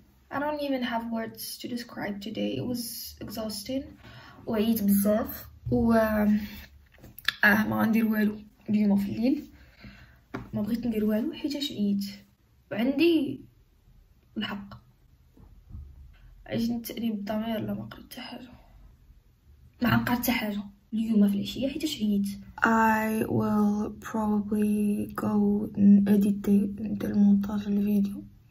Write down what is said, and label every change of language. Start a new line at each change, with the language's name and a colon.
English: I don't even have words to describe today. It was exhausting.
Arabic: وعيت بزاف و ما غندير والو اليوم في الليل. ما بغيت ندير والو حيت عييت وعندي الحق. عجبني التأنيب الضمير لا ما قريت حتى حاجه. ما قريت حتى حاجه اليوم في العشيه حيت عييت.
English: I will probably go edit the montage of the video.